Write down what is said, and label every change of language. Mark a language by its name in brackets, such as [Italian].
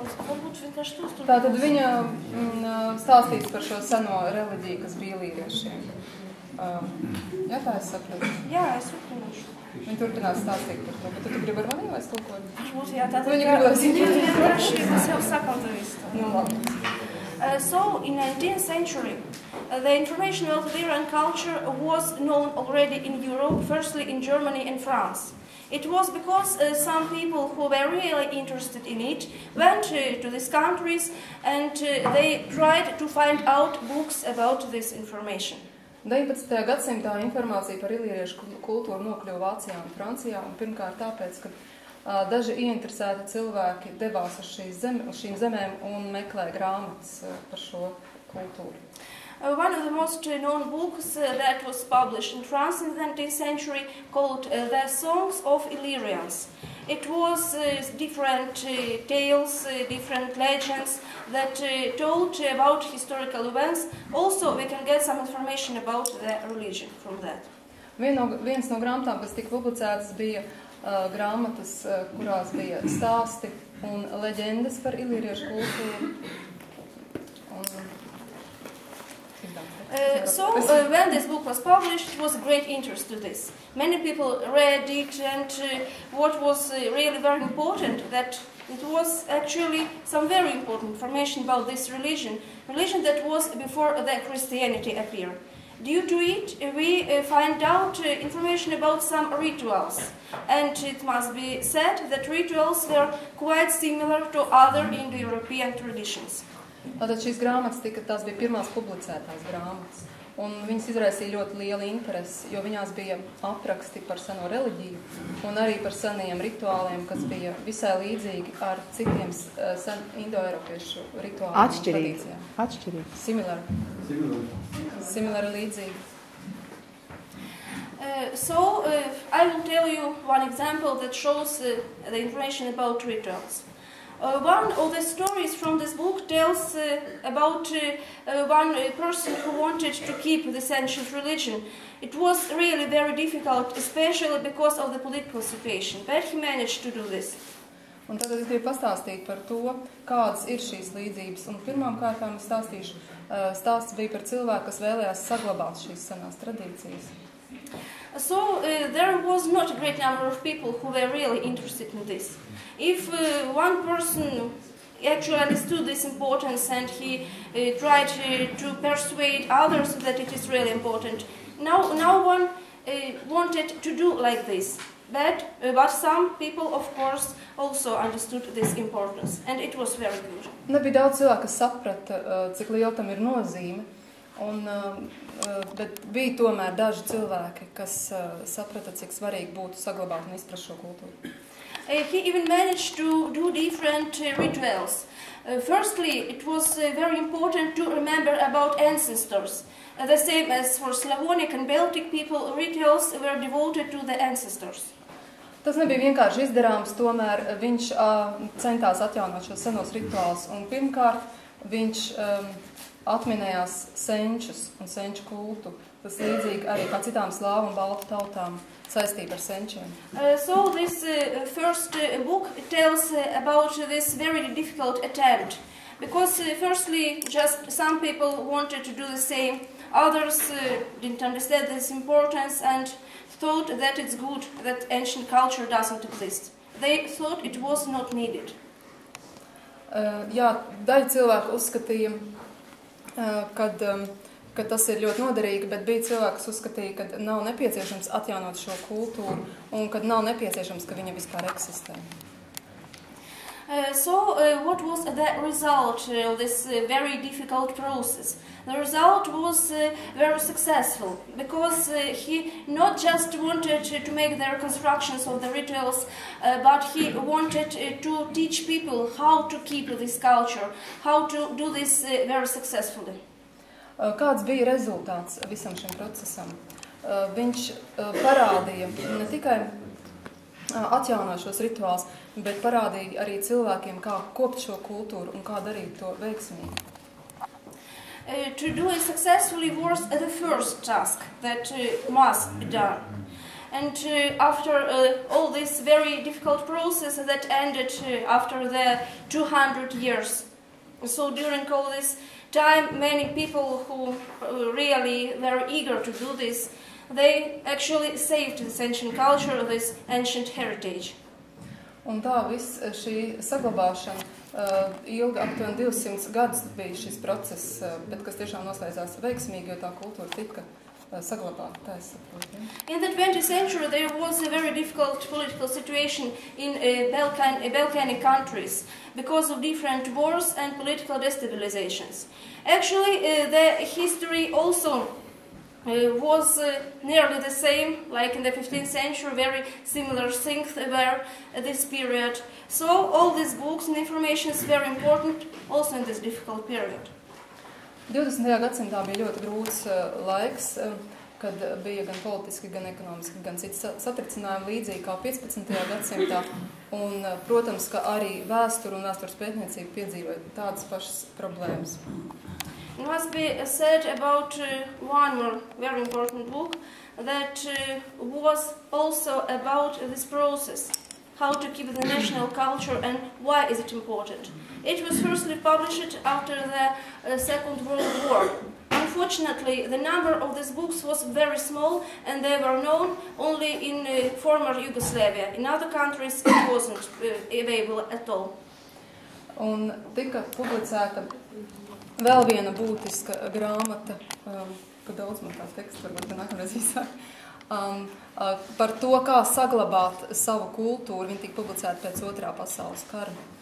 [Latvian] Tātad viņa stāstīs par šo seno reliģiju, kas bija līriešiem. Jā, tā es sapratu. Jā, es turpināšu. Viņa turpinās stāstīt par to, bet tu gribi ar mani vai es tulkoju? Viņa gribas [English] So, in the 19th century, the information of Illyrian culture was known already in Europe, firstly in Germany and France. It was because some people who were really interested in it went to these countries and they tried to find out books about this information. [Latvian] 19. gadsimtā informācija par illīriešu kultūru nokļuva Vācijā un Francijā, un pirmkārt tāpēc, ka daži ieinteresēti cilvēki devās uz šīm zemēm un meklēja grāmatas par šo kultūru. [English] One of the most known books that was published in France in the 19th century called The Songs of Illyrians. It was different tales, different legends that told about historical events. Also, we can get some information about the religion from that. [Latvian] Viens no grāmatām, kas tika publicētas, bija grāmatas, kurās bija stāsti un leģendas par iliriešu kultūru. [English] When this book was published, it was a great interest to this. Many people read it, and what was really very important, that it was actually some very important information about this religion, religion that was before the Christianity appeared. Due to it, we find out information about some rituals. And it must be said that rituals were quite similar to other Indo-European traditions. [Latvian] Tātad šīs grāmatas tika, tās bija pirmās publicētās grāmatas, un viņas izraisīja ļoti lielu interesi, jo viņās bija apraksti par seno reliģiju un arī par seniem rituāliem, kas bija visai līdzīgi ar citiem indoeiropiešu rituāliem. Atšķirīgi. [English] Similar [Latvian] līdzīgi. [English] I will tell you one example that shows the information about rituals. One of the stories from this book tells about one person who wanted to keep this ancient religion. It was really very difficult, especially because of the political situation, but he managed to do this. [Latvian] Un tad ir pastāstīt par to, kādas ir šīs līdzības. Un pirmām kārtām stāstīšu, stāsts bija par cilvēku, kas vēlējās saglabāt šīs senās tradīcijas. [English] So there was not a great number of people who were really interested in this. If one person actually understood this importance and he tried to persuade others that it is really important, no one wanted to do like this. But some people, of course, also understood this importance, and it was very good. [Latvian] Nebija daudz cilvēku, kas saprata, cik liela tam ir nozīme. Un, bet bija tomēr daži cilvēki, kas saprata, cik svarīgi būtu saglabāt un izprast šo kultūru. [English] He even managed to do different rituals. Firstly, it was very important to remember about ancestors. The same as for Slavonic and Baltic people, rituals were devoted to the ancestors. [Latvian] Tas nebija vienkārši izdarāms, tomēr viņš centās atjaunot šos senos rituālus. Un pirmkārt, viņš atminējās senčus un senču kultu. Tas līdzīgi arī pa citām slāvu un baltu tautām saistība ar senčiem. [English] So this first book tells about this very difficult attempt. Because firstly, just some people wanted to do the same. Others didn't understand this importance and thought that it's good that ancient culture doesn't exist. They thought it was not needed. [Latvian] Jā, daļa cilvēku uzskatīja, kad tas ir ļoti noderīgi, bet bija cilvēks uzskatīja, ka nav nepieciešams atjaunot šo kultūru un kad nav nepieciešams, ka viņa vispār eksistē. [English] So what was the result of this very difficult process? The result was very successful, because he not just wanted to make the reconstructions of the rituals, but he wanted to teach people how to keep this culture, how to do this very successfully. [Latvian] Kāds bija rezultāts visam šim procesam? Viņš parādīja ne tikai atjaunošos rituāls, bet parādīja arī cilvēkiem, kā kopt šo kultūru un kā darīt to veiksmīgi. [English] To do it successfully was the first task that must be done. And after all this very difficult process that ended after the 200 years, so during all this time, many people who really were eager to do this, they actually saved this ancient culture, this ancient heritage. [Latvian] Un tā viss šī saglabāšana ilga aptuveni 200 gadus bija šis process, bet kas tiešām noslēdzās veiksmīgi, jo tā kultūra tika saglabāta, tā es saprotu. [English] In the 20th century there was a very difficult political situation in Balkanic countries because of different wars and political destabilizations. Actually the history also was nearly the same, like in the 15th century, very similar things were this period. So all these books and information is very important also in this difficult period. [Latvian] 20. Gadsimtā bija ļoti grūts laiks, kad bija gan politiski, gan ekonomiski, gan citi satricinājumi līdzīgi kā 15. Gadsimtā. Un, protams, ka arī vēsture un vēstures pētniecība piedzīvoja tādas pašas problēmas. [English] It must be said about one more very important book, that was also about this process, how to keep the national culture and why is it important. It was firstly published after the Second World War. Unfortunately, the number of these books was very small and they were known only in former Yugoslavia. In other countries, it wasn't available at all. [Latvian] Un tika publicēta vēl viena būtiska grāmata, ka daudz man tā teksts varbūt nākamreiz visāk, par to, kā saglabāt savu kultūru, viņa tika publicēta pēc otrā pasaules kara.